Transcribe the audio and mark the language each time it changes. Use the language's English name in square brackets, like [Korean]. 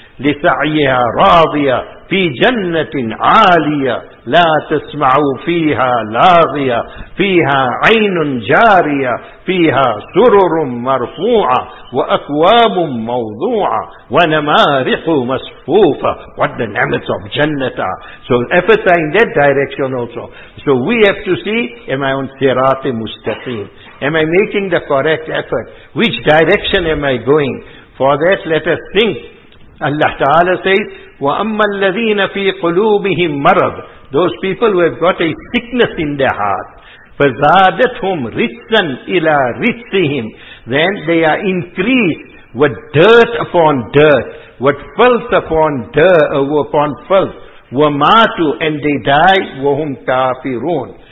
[Arabic] لِسَعْيَهَا رَاضِيَا فِي جَنَّةٍ عَالِيَا لَا تَسْمَعُوا فِيهَا لَاغِيَا فِيهَا عَيْنٌ جَارِيَا فِيهَا سُرُرٌ مَرْفُوعَا وَأَكْوَابٌ مَوْضُوعَا وَنَمَارِقُ مَصْفُوفَا. [English] What the namats of Jannah. So efforts are in that direction also. So we have to see, am I on sirati mustaqim? Am I making the correct effort? Which direction am I going? For that, let us think. Allah Ta'ala says, [Arabic] وَأَمَّا الَّذِينَ فِي قُلُوبِهِمْ مَرَضٌ. [English] Those people who have got a sickness in their heart. [Arabic] فَزَادَتْهُمْ رِجْسًا إِلَىٰ رِجْسِهِمْ. [English] Then they are increased with dirt upon dirt, with filth upon dirt, upon filth. [Arabic] وَمَاتُوا. [English] And they die. [Arabic] وَهُمْ كَافِرُونَ.